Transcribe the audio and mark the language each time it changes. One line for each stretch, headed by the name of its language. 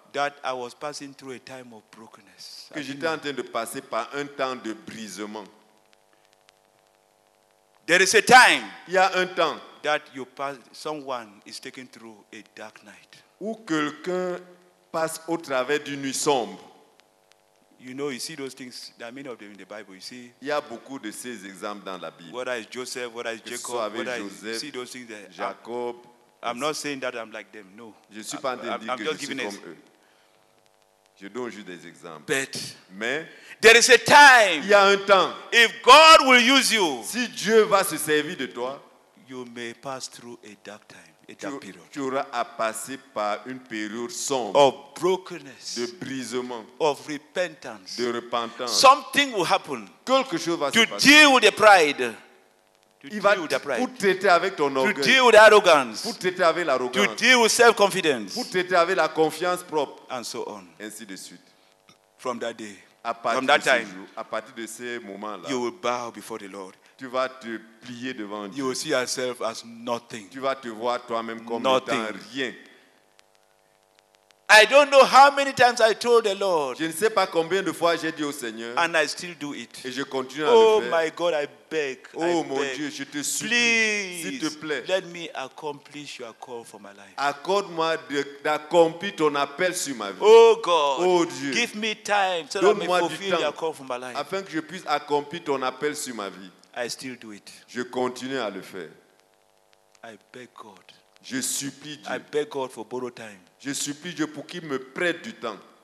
English: that I was passing through a time of brokenness.
French: Que j'étais en train de passer par un temps de brisement.
English: There is a time,
French: il y a un temps,
English: that you pass, someone is taken through a dark night.
French: Où quelqu'un passe au travers d'une nuit sombre.
English: You know, you see those things, that many of them in the Bible, you see.
French: Il y a beaucoup de ces exemples dans la Bible.
English: Whether it's Joseph, whether it's Jacob,
French: Joseph,
English: see those things there.
French: Jacob.
English: I'm not saying that I'm like them, no.
French: Je suis pas en train de dire que je suis comme eux. Je donne juste des exemples.
English: But,
French: mais,
English: there is a time.
French: Il y a un temps.
English: If God will use you.
French: Si Dieu va se servir de toi.
English: You may pass through a dark time, a dark period.
French: Tu auras à passer par une période sombre.
English: Of brokenness.
French: De brisement.
English: Of repentance.
French: De repentance.
English: Something will happen.
French: Quelque chose va se passer.
English: To deal with the pride.
French: Il va vous traiter avec ton orgueil.
English: To deal with arrogance.
French: Vous traiter avec l'arrogance.
English: To deal with self-confidence.
French: Vous traiter avec la confiance propre.
English: And so on.
French: Ainsi de suite.
English: From that day.
French: À partir
English: from that time.
French: Jour, à partir de ce moment-là.
English: You will bow before the Lord.
French: Tu vas te plier devant Dieu.
English: You will see yourself as nothing.
French: Tu vas te voir toi-même comme
English: nothing.
French: Étant rien.
English: I don't know how many times I told the Lord.
French: Je ne sais pas combien de fois j'ai dit au Seigneur.
English: And I still do it.
French: Et je continue oh à le faire.
English: Oh my God, I beg. Oh I
French: mon
English: beg.
French: Dieu, je te supplie.
English: Please,
French: s'il te plaît.
English: Let me accomplish your call for my life.
French: Accorde-moi d'accomplir ton appel sur ma vie.
English: Oh God.
French: Oh Dieu.
English: Give me time so that I may fulfill your call for my life.
French: Afin que je puisse accomplir ton appel sur ma vie.
English: I still do it.
French: Je continue à le faire.
English: I beg God.
French: Je supplie Dieu.
English: I beg God for borrow time.
French: Je supplie Dieu pour qu'il me prête du temps.